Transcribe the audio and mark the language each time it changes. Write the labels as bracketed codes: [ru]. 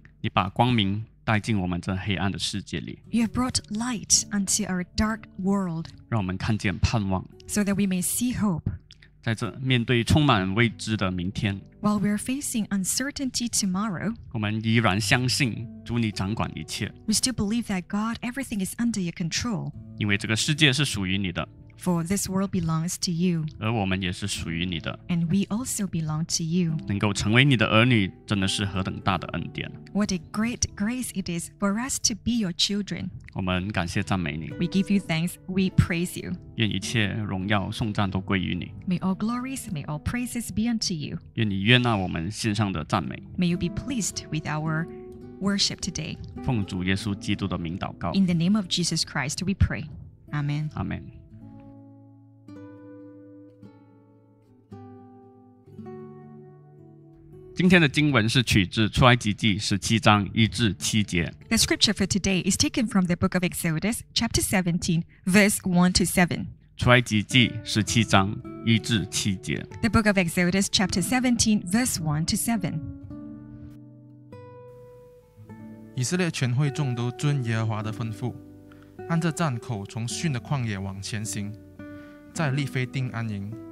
[zh] 你把光明带进我们这黑暗的世界里。 [en] You have brought light unto our dark world. [zh] 让我们看见盼望。 [en] So that we may see hope. [zh] 在这面对充满未知的明天， [en] While we're facing uncertainty tomorrow, [zh] 我们依然相信主你掌管一切。 [en] We still believe that God, everything is under your control. [zh] 因为这个世界是属于你的。 [en] For this world belongs to you. [zh] 而我们也是属于你的。 [en] And we also belong to you. [zh] 能够成为你的儿女，真的是何等大的恩典。 [en] What a great grace it is for us to be your children. [zh] 我们感谢赞美你。 [en] We give you thanks. We praise you. [zh] 愿一切荣耀颂赞都归于你。 [en] May all glories, may all praises be unto you. [zh] 愿你悦纳我们献上的赞美。 [en] May you be pleased with our worship today. [zh] 奉主耶稣基督的名祷告。 [en] In the name of Jesus Christ, we pray. Amen. Amen. [zh] 今天的经文是取自出埃及记17:1-7. [en] The scripture for today is taken from the book of Exodus, chapter 17, verse 1-7. [zh] 出埃及记十七章一至七节。 [en] The book of Exodus, chapter 17, verse 1-7. [zh] 以色列全会众都遵耶和华的吩咐，按着战口从逊的旷野往前行，在利非定安营。